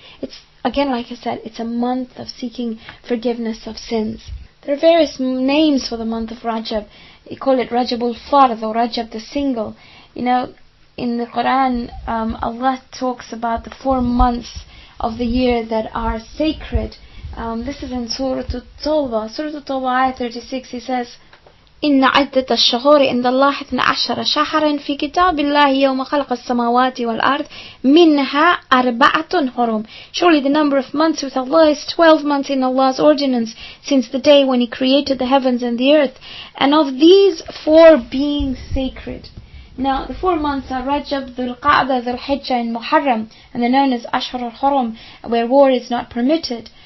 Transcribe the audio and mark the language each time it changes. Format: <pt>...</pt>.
<en>It's, again, like I said, it's a month of seeking forgiveness of sins. There are various names for the month of Rajab. You call it Rajabul Fard or Rajab the Single. You know, in the Quran, Allah talks about the 4 months of the year that are sacred. This is in Surah At-Tawbah, ayah 36. He says,</en> <ar>إن عدة الشهور عند الله 12 شهرا في كتاب الله يوم خلق السماوات والأرض منها أربعة حرم.</ar> <en>Surely the number of months with Allah is 12 months in Allah's ordinance since the day when He created the heavens and the earth, and of these 4 being sacred. Now the 4 months are Rajab, Dhul-Qa'dah, Dhul-Hijjah and Muharram, and they're known as Ashhar al-Hurum, where war is not permitted.</en>